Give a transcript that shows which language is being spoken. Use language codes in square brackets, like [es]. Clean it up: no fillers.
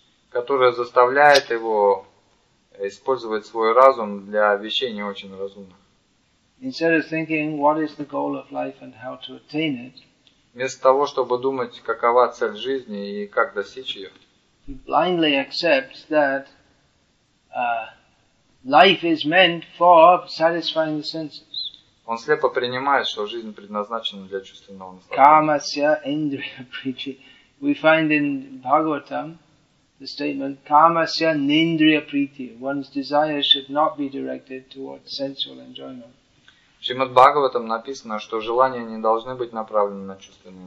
[ru] Которая заставляет его использовать свой разум для вещей не очень разумных. [en] Instead of thinking what is the goal of life and how to attain it, [ru] вместо того, чтобы думать, какова цель жизни и как достичь ее, [en] he blindly accepts that life is meant for satisfying the senses. [ru] Он слепо принимает, что жизнь предназначена для чувственного наслаждения. [en] We find in Bhagavatam the statement [sa] "Kamasya nindriya priti." [en] One's desire should not be directed towards sensual enjoyment. [ru] В Шримад-Бхагаватам написано, что желания не должны быть направлены на чувственные